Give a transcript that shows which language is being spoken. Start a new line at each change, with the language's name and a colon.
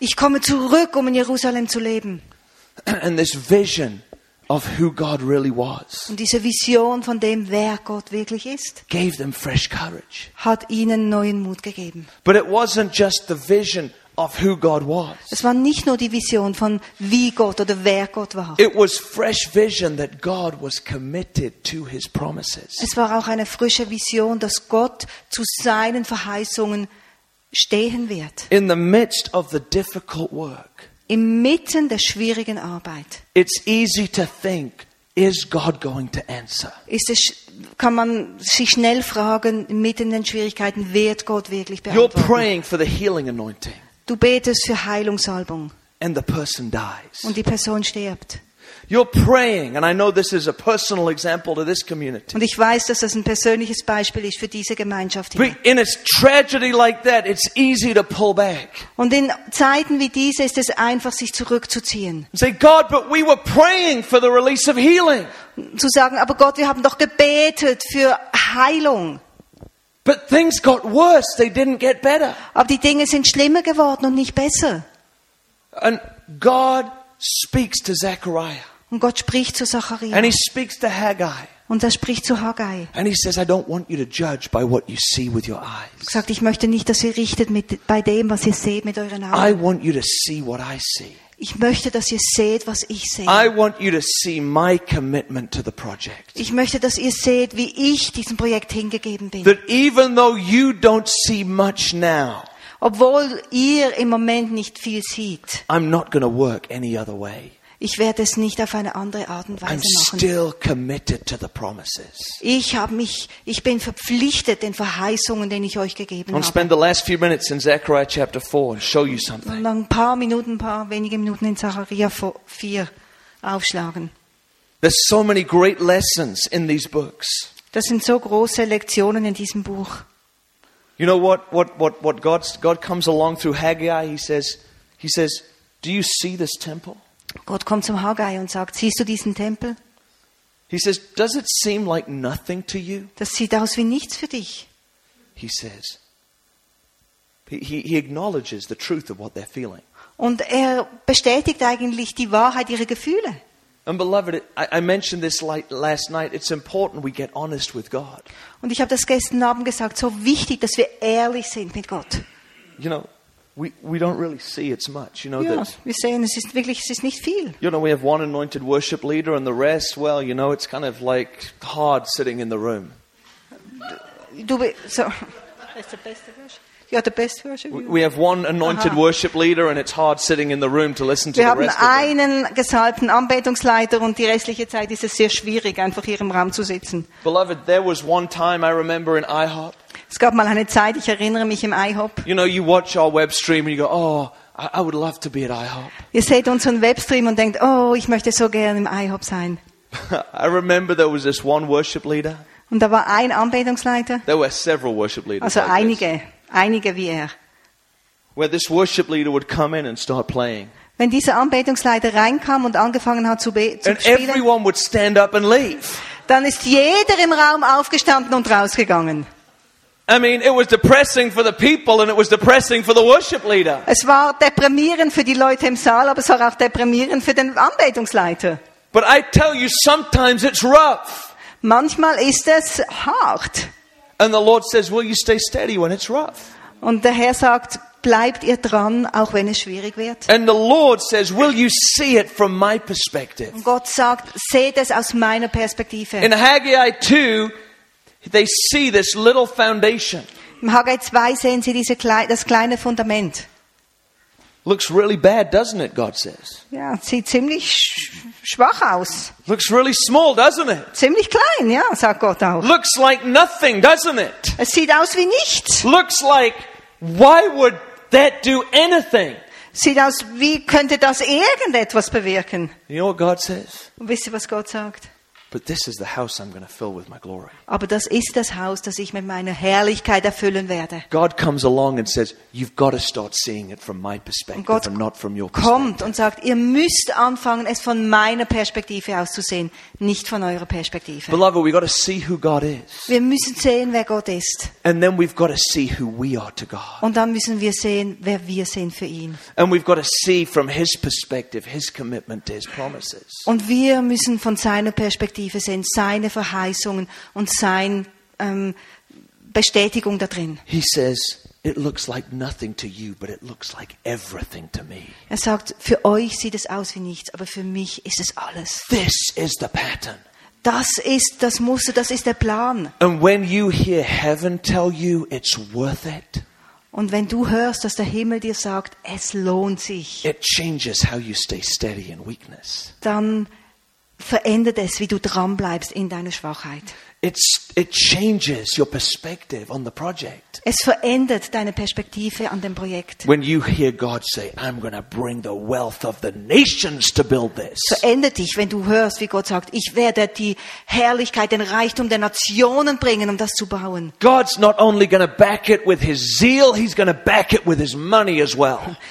German: Ich komme zurück, um in Jerusalem zu leben.
English: And this vision of who God really was.
German: Und diese Vision von dem, wer Gott wirklich ist,
English: gave them fresh courage.
German: Hat ihnen neuen Mut gegeben.
English: But it wasn't just the vision of who God was.
German: Es war nicht nur die Vision von wie Gott oder wer Gott war.
English: It was fresh vision that God was committed to his promises.
German: Es war auch eine frische Vision, dass Gott zu seinen Verheißungen stehen wird.
English: In the midst of the difficult work.
German: Inmitten der schwierigen Arbeit.
English: It's easy to think, is God going to answer?
German: Kann man sich schnell fragen, mitten in den Schwierigkeiten, wird Gott wirklich beantworten?
English: You're praying for the healing anointing.
German: Du betest für Heilungssalbung.
English: And the person dies.
German: Und die Person stirbt.
English: You're praying, and I know this is a personal example to this community.
German: Und ich weiß, dass das ein persönliches Beispiel ist für diese Gemeinschaft hier.
English: But in a tragedy like that, it's easy to pull back.
German: Und in Zeiten wie diese ist es einfach, sich zurückzuziehen.
English: Say, God, but we were praying for the release of healing.
German: Zu sagen, aber Gott, wir haben doch gebetet für Heilung.
English: But things got worse, they didn't get better.
German: Aber die Dinge sind schlimmer geworden und nicht besser.
English: And God speaks to Zechariah.
German: Und Gott spricht zu Zachariah.
English: And he speaks to Haggai.
German: Und er spricht zu Haggai.
English: And he says, I don't want you to judge by what you see with your eyes.
German: Er sagt, ich möchte nicht, dass ihr richtet mit bei dem, was ihr seht mit euren Augen.
English: I want you to see what I see.
German: Ich möchte, dass ihr seht, was ich sehe.
English: I want you to see my commitment to the project.
German: Ich möchte, dass ihr seht, wie ich diesem Projekt hingegeben bin.
English: That even though you don't see much now,
German: obwohl ihr im Moment nicht viel seht,
English: I'm not going to work any other way.
German: Ich werde es nicht auf eine andere Art und Weise
English: I'm
German: machen.
English: Still committed to the promises.
German: Ich bin verpflichtet den Verheißungen, die ich euch gegeben habe.
English: I'll spend the last few minutes in Zechariah chapter 4 and show you something.
German: Und ein paar wenige Minuten in Zacharia 4 aufschlagen.
English: There's so many great lessons in these books.
German: Das sind so große Lektionen in diesem Buch.
English: You know what God comes along through Haggai, he says, do you see this temple?
German: Gott kommt zum Haggai und sagt, siehst du diesen Tempel?
English: He says, does it seem like nothing to you?
German: Das sieht aus wie nichts für dich.
English: He says, he acknowledges the truth of what they're feeling.
German: Und er bestätigt eigentlich die Wahrheit ihrer Gefühle.
English: And beloved, I mentioned this last night, it's important we get honest with God.
German: Und ich habe das gestern Abend gesagt, so wichtig, dass wir ehrlich sind mit Gott.
English: You know, We don't really see it's much, you know.
German: Ja,
English: that,
German: wir sehen, es ist nicht viel.
English: You know, we have one anointed worship leader, and the rest, well, you know, it's kind of like hard sitting in the room. The best worship. We have one anointed worship leader, and it's hard sitting in the room to listen to
German: wir
English: the rest.
German: Wir haben einen gesalbten Anbetungsleiter, und die restliche Zeit ist es sehr schwierig, einfach hier im Raum zu sitzen.
English: Beloved, there was one time I remember in IHOP.
German: Es gab mal eine Zeit, ich erinnere mich, im IHOP.
English: You know, you watch our web stream and you go, oh, I would love to be at IHOP.
German: Ihr seht unseren Webstream und denkt, oh, ich möchte so gerne im IHOP sein.
English: I remember there was this one worship leader.
German: Und da war ein Anbetungsleiter.
English: There were several worship leaders.
German: Also einige wie er.
English: Where this worship leader would come in and start playing.
German: Wenn dieser Anbetungsleiter reinkam und angefangen hat zu spielen.
English: And everyone would stand up and leave.
German: Dann ist jeder im Raum aufgestanden und rausgegangen.
English: I mean, it was depressing for the people and it was depressing for the worship leader.
German: Es war deprimierend für die Leute im Saal, aber es war auch deprimierend für den Anbetungsleiter.
English: But I tell you, sometimes it's rough.
German: Manchmal ist es hart.
English: And the Lord says, "Will you stay steady when it's rough?"
German: Und der Herr sagt, bleibt ihr dran, auch wenn es schwierig wird?
English: And the Lord says, "Will you see it from my perspective?"
German: Und Gott sagt, seht es aus meiner Perspektive.
English: In Haggai 2, they see this little foundation.
German: Im Haggai 2 sehen sie das kleine Fundament.
English: Looks really bad, doesn't it? God says.
German: Ja, sieht ziemlich schwach aus.
English: Looks really small, doesn't it?
German: Ziemlich klein, ja, sagt Gott auch.
English: Looks like nothing, doesn't it?
German: Es sieht aus wie nichts.
English: Looks like, why would that do anything?
German: Sieht aus, wie könnte das irgendetwas bewirken?
English: You know what God says?
German: Und wisst ihr, was Gott sagt?
English: But this is the house I'm going to fill with my glory.
German: Aber das ist das Haus, das ich mit meiner Herrlichkeit erfüllen werde.
English: God comes along and says, "You've got to start seeing it from my perspective and not from your perspective."
German: Kommt und sagt, ihr müsst anfangen, es von meiner Perspektive aus zu sehen, nicht von eurer Perspektive.
English: Beloved, we've got to see who God is.
German: Wir müssen sehen, wer Gott ist.
English: And then we've got to see who we are to God.
German: Und dann müssen wir sehen, wer wir sind für ihn.
English: And we've got to see from his perspective his commitment to his promises.
German: Und wir müssen von seiner Perspektive sehen, seine Verheißungen und sein Bestätigung da drin.
English: He says, "It looks like nothing to you, but it looks like everything to me."
German: Er sagt, für euch sieht es aus wie nichts, aber für mich ist es alles.
English: This is the pattern.
German: Das ist das Muster, das ist der Plan.
English: And when you hear heaven tell you it's worth it,
German: und wenn du hörst, dass der Himmel dir sagt, es lohnt sich,
English: it changes how you stay steady in weakness.
German: Dann verändert es, wie du dran bleibst in deiner Schwachheit.
English: It changes your perspective on the project.
German: Es verändert deine Perspektive an dem Projekt.
English: When you hear God say, "I'm going to bring the wealth of the nations to build this."
German: Verändert dich, wenn du hörst, wie Gott sagt, ich werde die Herrlichkeit, den Reichtum der Nationen bringen, um das zu bauen.
English: God's not only going to back it with his zeal, he's going to back it with his money as well.